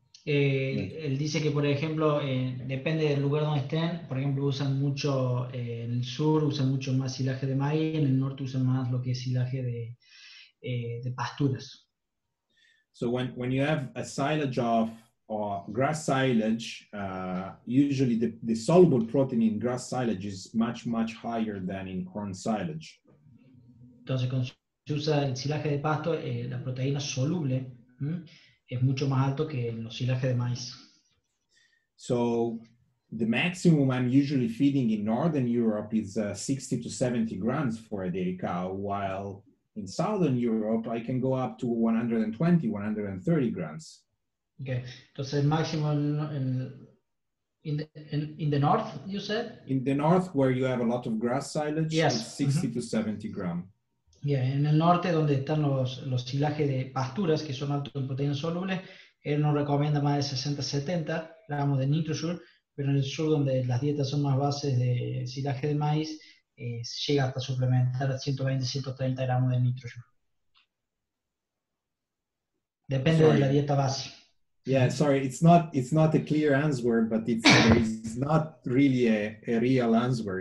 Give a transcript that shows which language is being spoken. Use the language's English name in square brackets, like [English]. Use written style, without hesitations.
[Spanish] Él dice que, por ejemplo, depende del lugar donde estén, por ejemplo, usan mucho, en el sur usan mucho más silaje de maíz, en el norte usan más lo que es silaje de pasturas. [English] So when you have a silage of or grass silage, usually the soluble protein in grass silage is much, much higher than in corn silage. [Spanish] Entonces, cuando se usa el silaje de pasto, la proteína soluble es mucho más alto que en los silajes de maíz. [English] So, the maximum I'm usually feeding in Northern Europe is 60 to 70 grams for a dairy cow, while in Southern Europe I can go up to 120, 130 grams. Okay, [Spanish] entonces el máximo [English] in the north, you said? In the north, where you have a lot of grass silage, yes. It's 60 to 70 grams. [Spanish] Yeah, en el norte, donde están los silajes de pasturas, que son altos en proteínas solubles, él nos recomienda más de 60-70 gramos de NitroSure, pero en el sur, donde las dietas son más bases de silaje de maíz, llega hasta suplementar 120-130 gramos de NitroSure. Depende de la dieta base. [English] Yeah, sorry, it's not a clear answer, but it's not really a real answer.